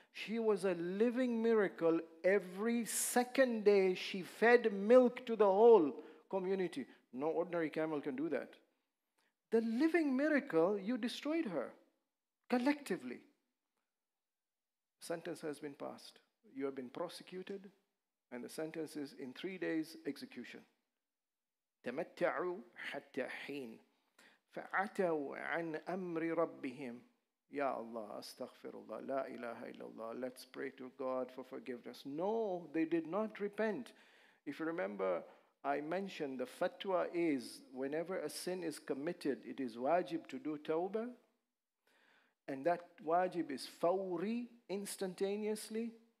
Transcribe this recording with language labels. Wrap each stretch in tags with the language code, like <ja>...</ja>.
<en>She was a living miracle. Every second day she fed milk to the whole community. No ordinary camel can do that. The living miracle, you destroyed her collectively. Sentence has been passed. You have been prosecuted, and the sentence is in 3 days execution.</en> <ar>تمتعوا حتى حين فعتوا عن أمر ربهم. يا الله استغفر الله لا إله إلا الله.</ar> <en>Let's pray to God for forgiveness. No, they did not repent. If you remember, I mentioned the fatwa is whenever a sin is committed, it is wajib to do tawbah, and that wajib is fawri, instantaneously.</en>